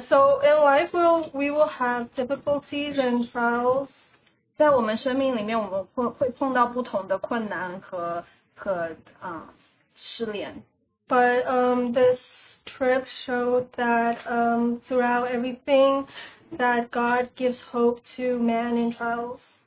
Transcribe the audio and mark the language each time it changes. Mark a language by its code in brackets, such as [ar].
[en] So in life we will have difficulties and trials. [zh] 在我们生命里面，我们会碰到不同的困难和失恋。 [en] But this trip showed that throughout everything, that God gives hope to man in trials.